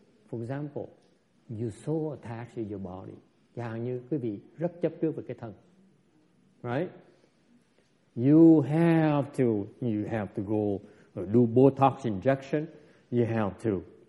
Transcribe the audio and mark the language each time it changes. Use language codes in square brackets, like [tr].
[en] For example, you're so attached to your body. [vi] Dạng như quý vị rất chấp trước về cái thân. [en] Right? You have to go do Botox injection. You have to